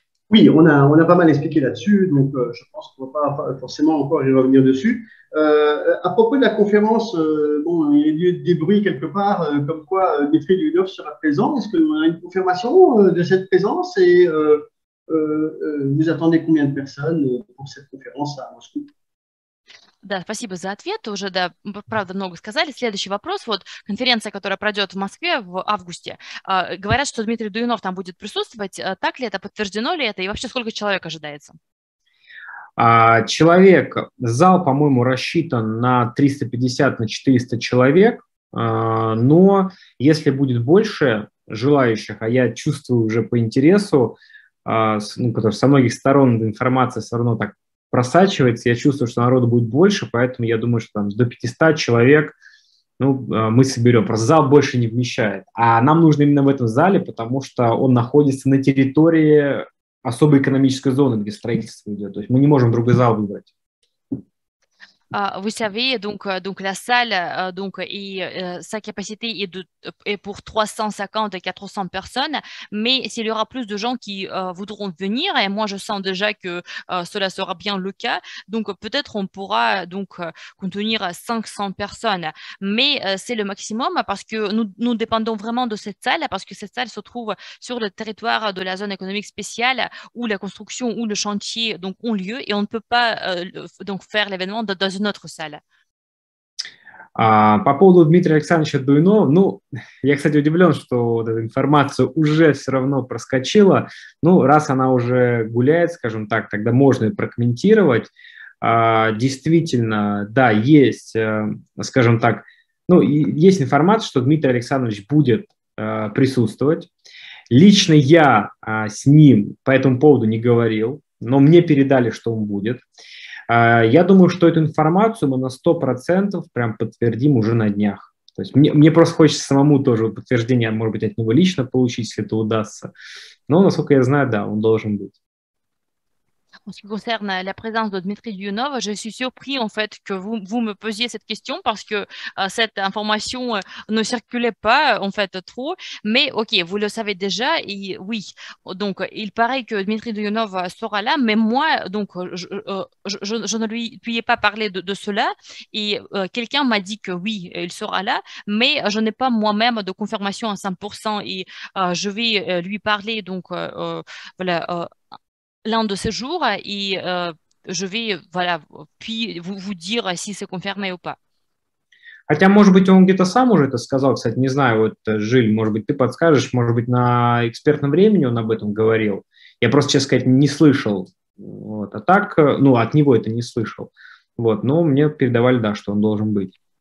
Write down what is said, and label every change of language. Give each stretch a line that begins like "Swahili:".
French: Oui, on a pas mal expliqué là-dessus, donc je pense qu'on ne va pas forcément encore y revenir dessus. À propos de la conférence, bon, il y a eu des bruits quelque part, comme quoi Dmitri Lyudov sera présent. Est-ce qu'on a une confirmation de cette présence et vous attendez combien de personnes pour cette conférence à Moscou?
Russian: Да, спасибо за ответ. Уже, да, правда, много сказали. Следующий вопрос. Вот конференция, которая пройдет в Москве в августе. Говорят, что Дмитрий Дуйнов там будет присутствовать. Так ли это? Подтверждено ли это? И вообще, сколько человек ожидается? Человек, зал, по-моему, рассчитан на 350 на 400 человек, но если будет больше желающих, а я чувствую уже по интересу, ну, который со многих сторон информация все равно так просачивается, я чувствую, что народу будет больше, поэтому я думаю, что там до 500 человек, ну, мы соберем, просто зал больше не вмещает. А нам нужно именно в этом зале, потому что он находится на территории особой экономической зоны, где строительство идет. То есть мы не можем другой зал выбрать.
French: Vous savez, donc la salle donc, et sa capacité est pour 350 et 400 personnes, mais s'il y aura plus de gens qui voudront venir, et moi je sens déjà que cela sera bien le cas, donc peut-être on pourra donc contenir 500 personnes, mais c'est le maximum parce que nous dépendons vraiment de cette salle, parce que cette salle se trouve sur le territoire de la zone économique spéciale où la construction, où le chantier donc, ont lieu, et on ne peut pas donc faire l'événement dans notre salle.
Russian: По поводу Дмитрия Александровича Дуйнова, ну, я, кстати, удивлен, что вот эта информация уже все равно проскочила. Ну, раз она уже гуляет, скажем так, тогда можно и прокомментировать. Действительно, да, есть, скажем так, ну, есть информация, что Дмитрий Александрович будет присутствовать. Лично я с ним по этому поводу не говорил, но мне передали, что он будет. Я думаю, что эту информацию мы на 100% прям подтвердим уже на днях. То есть мне просто хочется самому тоже подтверждение, может быть, от него лично получить, если это удастся. Но, насколько я знаю, да, он должен быть.
French: En ce qui concerne la présence de Dmitri Dionov, je suis surpris en fait que vous me posiez cette question parce que cette information ne circulait pas en fait trop. Mais ok, vous le savez déjà et oui. Donc il paraît que Dmitri Dionov sera là, mais moi donc je ne lui ai pas parlé de cela et quelqu'un m'a dit que oui, il sera là, mais je n'ai pas moi-même de confirmation à 100% et je vais lui parler donc voilà. L'un de ces jours, et je vais, voilà, puis vous dire si c'est confirmé ou pas.
Russian: Хотя, может быть, он где-то сам уже это сказал, кстати, не знаю, вот Жиль, может быть, ты подскажешь, может быть, на экспертном времени он об этом говорил. Я просто, честно сказать, не слышал. Вот. А так, ну, от него это не слышал. Вот. Но мне передавали, да, что он должен быть.